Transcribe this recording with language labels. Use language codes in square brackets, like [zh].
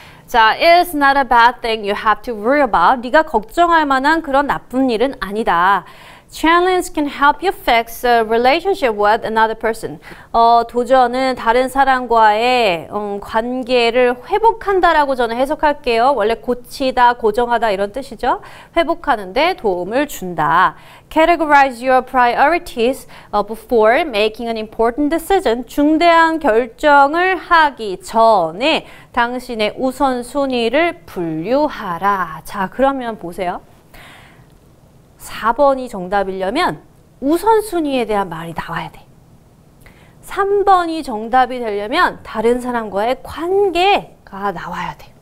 [en] 자, it's not a bad thing you have to worry about. [ko] 네가 걱정할 만한 그런 나쁜 일은 아니다. [en] Challenge can help you fix a relationship with another person. [ko] 도전은 다른 사람과의 관계를 회복한다라고 저는 해석할게요. 원래 고치다, 고정하다 이런 뜻이죠. 회복하는데 도움을 준다. [en] Categorize your priorities before making an important decision. [ko] 중대한 결정을 하기 전에 당신의 우선순위를 분류하라. 자, 그러면 보세요. 4번이 정답이려면 우선순위에 대한 말이 나와야 돼. 3번이 정답이 되려면 다른 사람과의 관계가 나와야 돼.